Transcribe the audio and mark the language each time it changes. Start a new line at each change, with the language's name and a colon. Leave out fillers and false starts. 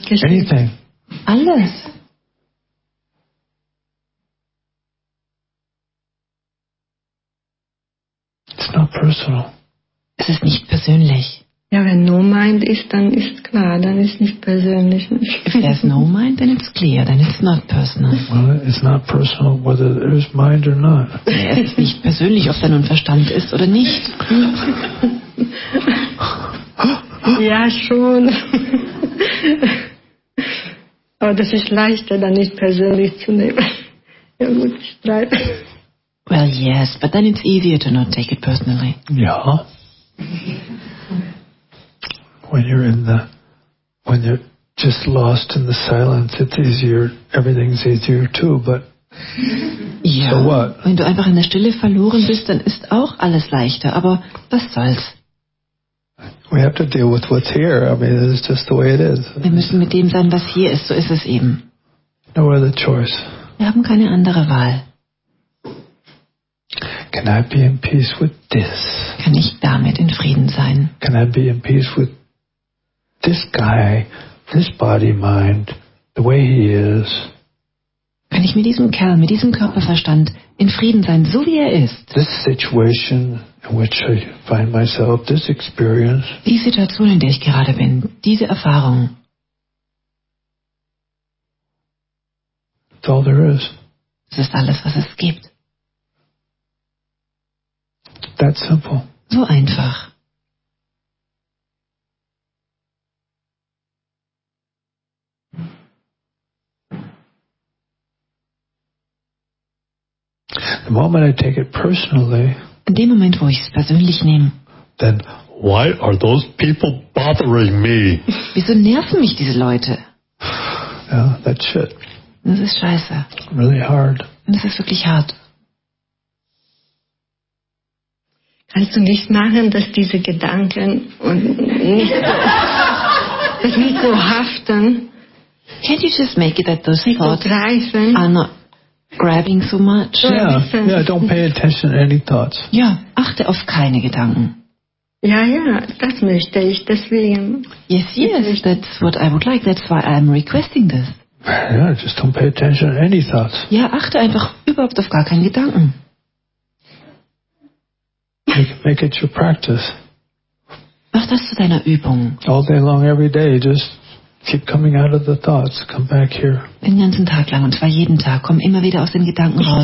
German: geschieht?
English: Anything.
German: Alles.
English: It's not personal.
German: Es ist nicht persönlich. Ja, wenn
English: no mind
German: ist, dann ist klar, dann ist nicht persönlich.
English: If there's no mind, then it's clear, then it's not personal. Well, it's not personal whether there's mind or not.
German: Es ist nicht persönlich, ob da nun Verstand ist oder nicht. Ja, schon. Aber das ist leichter, dann nicht persönlich zu nehmen. Ja, gut, ich streite.
English: Well, yes, but then it's easier to not take it personally.
German: Ja.
English: When you're in the, when you're just lost in the silence, it's easier. Everything's easier too. But
German: ja,
English: so what?
German: Wenn du einfach in der Stille verloren bist, dann ist auch alles leichter. Aber was soll's?
English: We have to deal with what's here. I mean, it's just the way it is.
German: Wir müssen mit dem sein, was hier ist. So ist es eben.
English: No other choice.
German: Wir haben keine andere Wahl.
English: Can I be in peace with this?
German: Kann ich damit in Frieden sein?
English: Can I be in peace with this guy, this body mind, the way he is?
German: Kann ich mit diesem Kerl, mit diesem Körperverstand in Frieden sein, so wie er ist?
English: This situation in which I find myself, this experience.
German: Die Situation, in der ich gerade bin, diese Erfahrung.
English: That's all there is.
German: Das ist alles, was es gibt.
English: That simple.
German: So einfach.
English: The moment I take it personally.
German: In dem Moment, wo ich es persönlich nehme.
English: Then why are those people bothering me?
German: Wieso nerven mich diese Leute?
English: Yeah, that's shit.
German: Das ist scheiße.
English: Really hard.
German: Und das ist wirklich hart. Kannst du nicht machen, dass diese Gedanken und nicht so haften?
English: Can't you just make it that those thoughts are not grabbing so much? Yeah, don't pay attention to any thoughts.
German: Ja, achte auf keine Gedanken. Ja, ja, das möchte ich, deswegen.
English: Yes, yes, that's what I would like, that's why I'm requesting this. Yeah, just don't pay attention to any thoughts.
German: Ja, achte einfach überhaupt auf gar keine Gedanken.
English: Make it your practice.
German: Mach das zu deiner Übung.
English: All day long, every day, just keep coming out of the thoughts. Come back here.
German: Den ganzen Tag lang, und zwar jeden Tag, komm immer wieder aus den Gedanken raus.